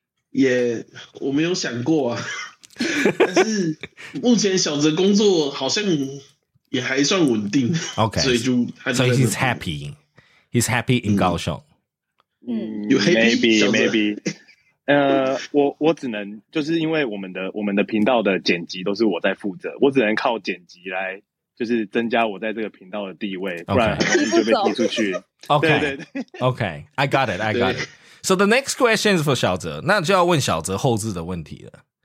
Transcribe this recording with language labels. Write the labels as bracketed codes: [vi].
[zh] 也我没有想过啊，但是目前小泽工作好像也还算稳定。 [en] OK， [zh] 所以就 [en] 所以、so、he's happy， he's happy in 高雄。 Maybe maybe， [zh] 我只能就是因为我们的频道的剪辑都是我在负责，我只能靠剪辑来就是增加我在这个频道的地位， [en] okay. [zh] 不然很容易就被踢出去。 [en] OK， [zh] 对对对 [en] ，OK， I got it， I got it。So the next question is for 小泽， [zh] 那就要问小泽后置的问题了。